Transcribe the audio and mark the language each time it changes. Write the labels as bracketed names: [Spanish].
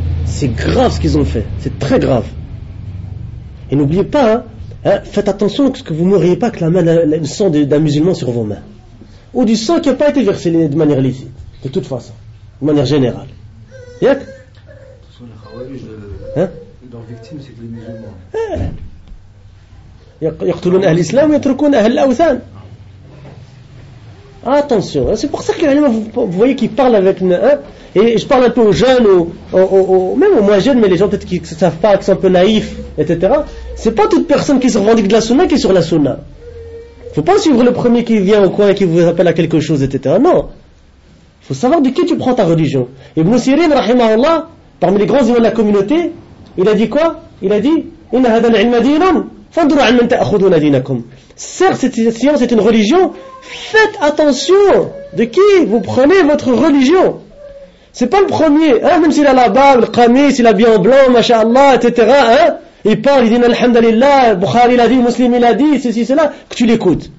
[French] C'est grave ce qu'ils ont fait. C'est très grave. Et n'oubliez pas, hein, faites attention que, ce que vous ne mourriez pas avec la main, le sang d'un musulman sur vos mains. Ou du sang qui n'a pas été versé de manière licite. De toute façon. De manière générale. Yak? De toute façon, les khawarij, leurs victimes, c'est que les musulmans. [Arabic] يقتلون أهل الإسلام ويتركون أهل الأوثان. [French] Attention, c'est pour ça que vous voyez qu'il parle avec et je parle un peu aux jeunes, même aux moins jeunes, mais les gens peut-être qui ne savent pas, qui sont un peu naïfs, etc. C'est pas toute personne qui se revendique de la sunna qui est sur la sunna. Faut pas suivre le premier qui vient au coin et qui vous appelle à quelque chose, etc. Non, faut savoir de qui tu prends ta religion. Ibn Sirin, rahimahullah, parmi les grands imams de la communauté, il a dit quoi? Il a dit [Arabic] إن هذا العلم دينهم فانظروا عن من تأخذون دينكم. [French] Certes, cette science est une religion. Faites attention de qui vous prenez votre religion. C'est pas le premier, hein, même s'il a la barbe, le qamis, il a bien blanc, mashallah, etc. Hein, il parle, il dit Alhamdulillah, Bukhari l'a dit, Muslim l'a dit, ceci, cela, que tu l'écoutes.